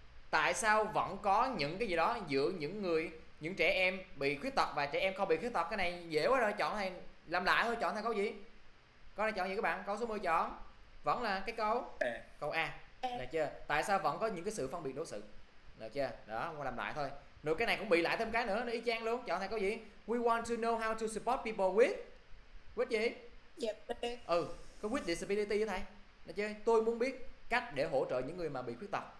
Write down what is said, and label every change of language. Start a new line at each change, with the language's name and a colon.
Vietnamese: tại sao vẫn có những cái gì đó giữa những người, những trẻ em bị khuyết tật và trẻ em không bị khuyết tật? Cái này dễ quá rồi, chọn hay làm lại thôi, chọn thay câu gì? Câu này chọn gì các bạn? Câu số 10 chọn vẫn là cái câu A là chưa, tại sao vẫn có những cái sự phân biệt đối xử là chưa đó, qua làm lại thôi. Rồi cái này cũng bị lại thêm cái nữa, nó y chang luôn. Chọn thay câu gì?
English: We want to know how to support people with gì? Yep.
Vietnamese: Ừ, có
English: with disability
Vietnamese: đó thầy. Được chưa? Tôi muốn biết cách để hỗ trợ những người mà bị khuyết tật.